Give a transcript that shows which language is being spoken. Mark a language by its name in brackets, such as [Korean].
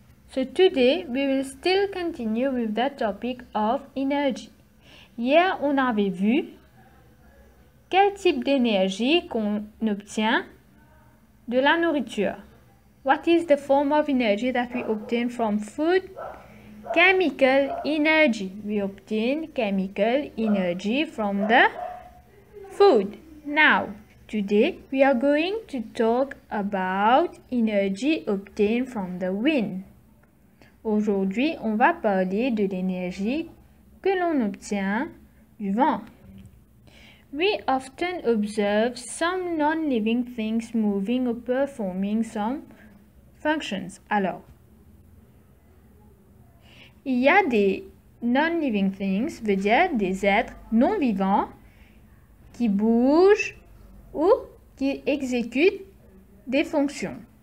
[English] So today, we will still continue with the topic of energy. [French] Hier, on avait vu quel type d'énergie qu'on obtient de la nourriture. [English] What is the form of energy that we obtain from food? Chemical energy. We obtain chemical energy from the food. Now, today we are going to talk about energy obtained from the wind. [French] Aujourd'hui, on va parler de l'énergie que l'on obtient du vent. [English] We often observe some non-living things moving or performing some functions. [French] Alors, il y a des non-living things, veut dire des êtres non vivants qui bougent ou qui exécutent des fonctions.